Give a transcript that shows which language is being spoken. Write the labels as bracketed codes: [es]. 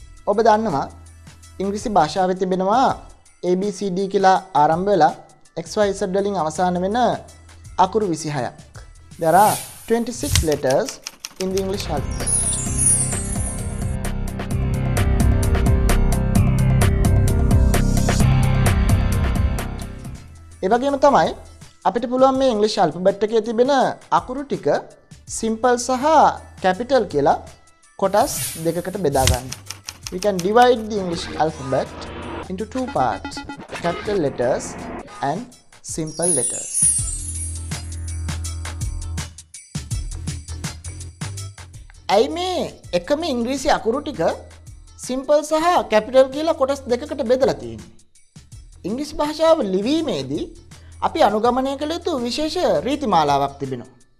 [si] ඔබ දන්නවා ඉංග්‍රීසි භා෷ාවේ තිබෙනවා ABCD කියලා ආරම්භ වෙලා XYZ වලින් අවසාන වෙන අකුරු 26ක්. [en] There are 26 letters in the English alphabet. [si] ඒ වගේම තමයි අපිට පුළුවන් මේ ඉංග්‍රීසි alphabet එකේ තිබෙන අකුරු ටික simple සහ capital කියලා කොටස් දෙකකට බෙදා ගන්න. [en] We can divide the English alphabet into two parts, capital letters and simple letters. [si] ඇයි මේ එකම ඉංග්‍රීසි අකුරු ටික simple සහ capital කියලා කොටස් දෙකකට බෙදලා තියෙන්නේ? ඉංග්‍රීසි භාෂාව ලිවීමේදී අපි අනුගමනය කළ යුතු විශේෂ රීතිමාලාවක් තිබෙනවා.